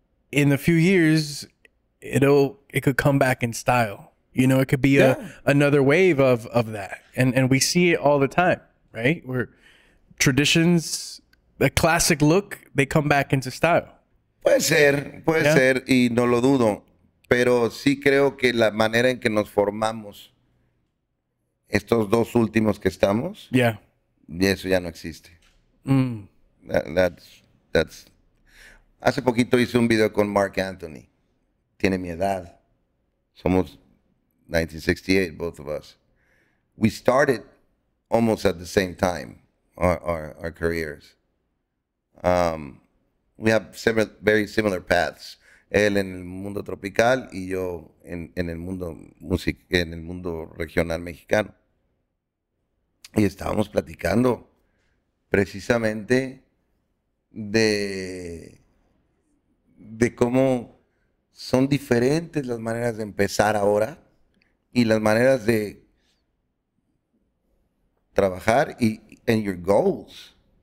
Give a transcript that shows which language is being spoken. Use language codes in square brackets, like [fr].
[en] In a few years, it could come back in style. You know, it could be another wave of that. And we see it all the time, right? Where traditions, the classic look, they come back into style. [es] Puede ser, y no lo dudo. Pero sí creo que la manera en que nos formamos estos dos últimos que estamos, [en] yeah, [es] y eso ya no existe. Mm. That's hace poquito hice un video con Mark Anthony. Tiene mi edad. Somos [en] 1968, both of us. We started almost at the same time our careers. We have very similar paths. [es] Él en el mundo tropical y yo en el mundo music, en el mundo regional mexicano. Y estábamos platicando precisamente de cómo son diferentes las maneras de empezar ahora y las maneras de trabajar y [en] and your goals.